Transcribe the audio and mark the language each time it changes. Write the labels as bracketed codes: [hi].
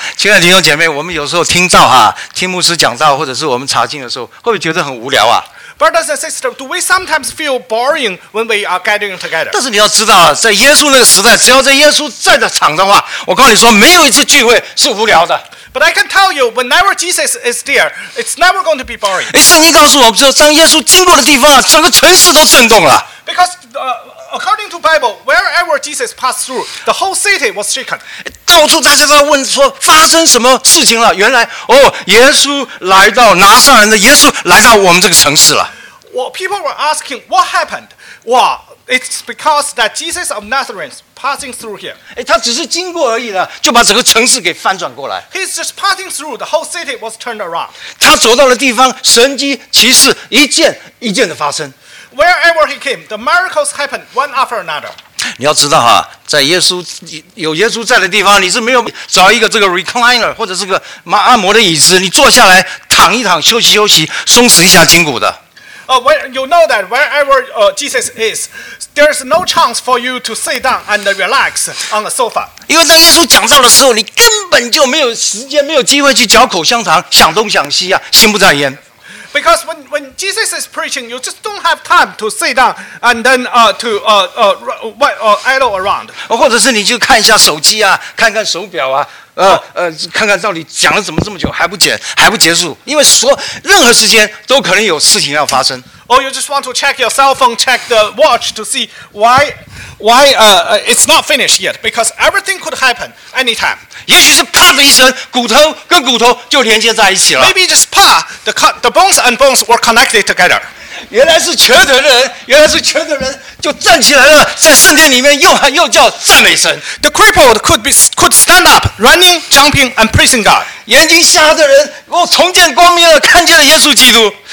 [zh] 亲爱的弟兄姐妹，我们有时候听到哈，听牧师讲道，或者是我们查经的时候，会不会觉得很无聊啊？ [en] Brothers and sisters, do we sometimes feel boring when we are gathering together? [zh] 但是你要知道，在耶稣那个时代，只要在耶稣在的场的话，我告诉你说，没有一次聚会是无聊的。 [en] But I can tell you, whenever Jesus is there, it's never going to be boring. [zh] 圣经告诉我们，当耶稣经过的地方，整个城市都震动了。 [en] Because According to Bible, wherever Jesus passed through, the whole city was shaken. [zh] 到处大家都在问说发生什么事情了。原来哦，耶稣来到拿撒勒，耶稣来到我们这个城市了。 [en] Well, people were asking what happened. Well, it's because that Jesus of Nazareth passing through here. [zh] 哎，他只是经过而已了，就把整个城市给翻转过来。 [en] He's just passing through. The whole city was turned around. [zh] 他走到的地方，神迹奇事一件一件的发生。 [en] Wherever he came, the miracles happened one after another. [zh] 你要知道哈，在耶稣有耶稣在的地方，你是没有找一个这个 recliner 或者是个按摩的椅子，你坐下来躺一躺，休息休息，松弛一下筋骨的。 [en] You know that wherever Jesus is, there's no chance for you to sit down and relax on the sofa. [zh] 因为当耶稣讲道的时候，你根本就没有时间、没有机会去嚼口香糖，想东想西啊，心不在焉。 [en] Because when Jesus is preaching, you just don't have time to sit down and then idle around. [zh] 或者是你就看一下手机啊，看看手表啊，看看到底讲了怎么这么久还不结束？因为说任何时间都可能有事情要发生。 [en] Or you just want to check your cell phone, check the watch to see why it's not finished yet? Because everything could happen anytime. [zh] 也许是啪的一声，骨头跟骨头就连接在一起了。 [en] Maybe just啪, the bones and bones were connected together. [zh] 原来是瘸的人就站起来了，在圣殿里面又喊又叫赞美神。 [en] The crippled could stand up, running, jumping, and praising God. [zh] 眼睛瞎的人哦，重见光明了，看见了耶稣基督。